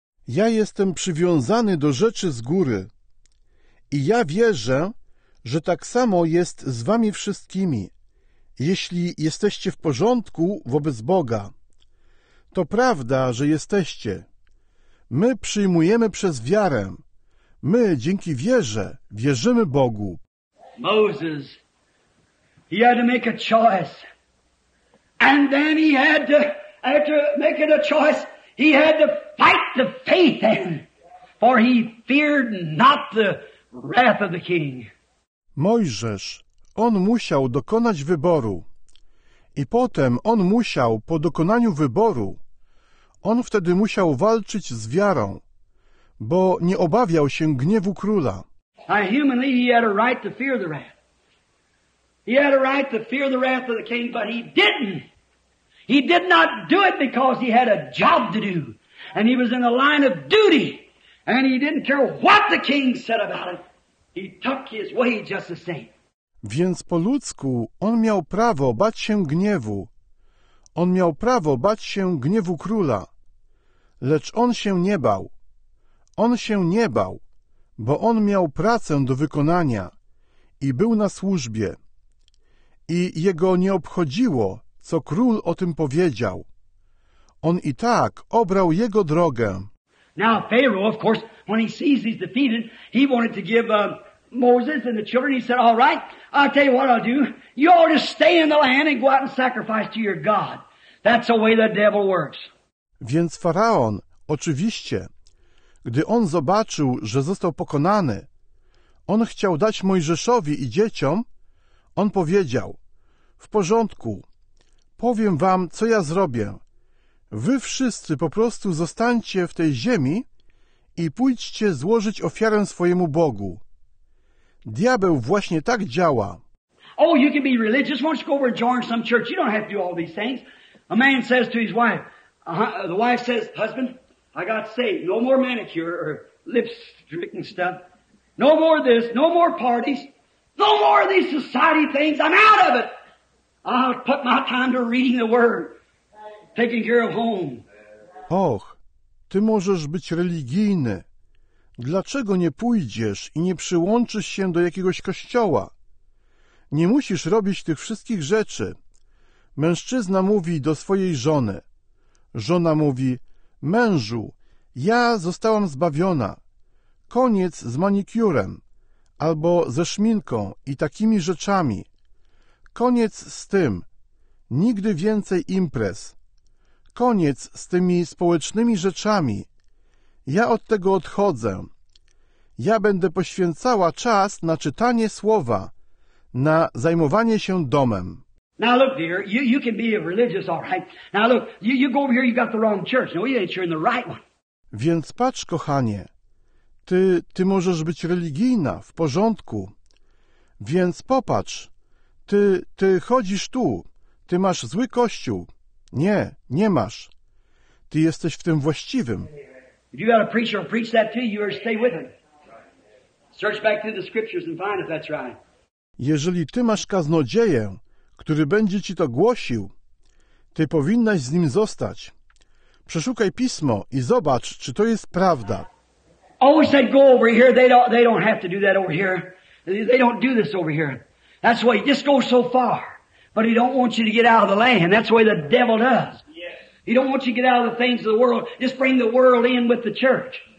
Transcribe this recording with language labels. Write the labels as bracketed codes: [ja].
[pl] Ja jestem przywiązany do rzeczy z góry. I ja wierzę, że tak samo jest z wami wszystkimi, jeśli jesteście w porządku wobec Boga. To prawda, że jesteście. My przyjmujemy przez wiarę. My dzięki wierze wierzymy Bogu. [en] Moses, he had to make a choice. And then he had to, after making a choice, he had to fight the faith then. For he feared not the wrath of the king. [pl] Mojżesz, on musiał dokonać wyboru. I potem on musiał, po dokonaniu wyboru, on wtedy musiał walczyć z wiarą, bo nie obawiał się gniewu króla. [en] Now, humanly, he had a right to fear the wrath. He had a right to fear the wrath of the king, but he didn't. He did not do it because he had a job to do. And he was in the line of duty. And he didn't care what the king said about it. He took his way just the same. [pl] Więc po ludzku on miał prawo bać się gniewu. On miał prawo bać się gniewu króla. Lecz on się nie bał. On się nie bał, bo on miał pracę do wykonania i był na służbie. I jego nie obchodziło, co król o tym powiedział. On i tak obrał jego drogę. [en] Now Pharaoh, of course, when he sees he's defeated, he wanted to give Moses and the children. He said, all right, I'll tell you what I'll do. You ought to stay in the land and go out and sacrifice to your God. That's the way the devil works. [pl] Więc Faraon, oczywiście, gdy on zobaczył, że został pokonany, on chciał dać Mojżeszowi i dzieciom, on powiedział, w porządku, powiem wam, co ja zrobię. Wy wszyscy po prostu zostańcie w tej ziemi i pójdźcie złożyć ofiarę swojemu Bogu. Diabeł właśnie tak działa. [en] Oh, you can be religious, won't you go over and join some church? You don't have to do all these things. A man says to his wife, the wife says, husband, I got saved. No more manicure or lips drinking stuff. No more this, no more parties. No more of these society things. I'm out of it. I'll put my time to reading the word, taking care of home. [pl] Och, ty możesz być religijny. Dlaczego nie pójdziesz i nie przyłączysz się do jakiegoś kościoła? Nie musisz robić tych wszystkich rzeczy. Mężczyzna mówi do swojej żony. Żona mówi: mężu, ja zostałam zbawiona. Koniec z manikurem albo ze szminką i takimi rzeczami. Koniec z tym. Nigdy więcej imprez. Koniec z tymi społecznymi rzeczami. Ja od tego odchodzę. Ja będę poświęcała czas na czytanie słowa, na zajmowanie się domem. [en] Now look, dear, you can be a religious, all right. Now look, you go over here, you got the wrong church. No, you're in the right one. [pl] Więc patrz, kochanie, ty możesz być religijna, w porządku. Więc popatrz, ty chodzisz tu, ty masz zły kościół. Nie, nie masz. Ty jesteś w tym właściwym. [en] If you got a preacher who'll preach that to you, or stay with him. Search back through the scriptures and find if that's right. [pl] Jeżeli ty masz kaznodzieję, który będzie ci to głosił, ty powinnaś z nim zostać. Przeszukaj pismo i zobacz, czy to jest prawda. [en] Always said go over here. They don't have to do that over here. They don't do this over here. That's why you just go so far. But he don't want you to get out of the land. That's the way the devil does. He don't want you to get out of the things of the world. Just bring the world in with the church.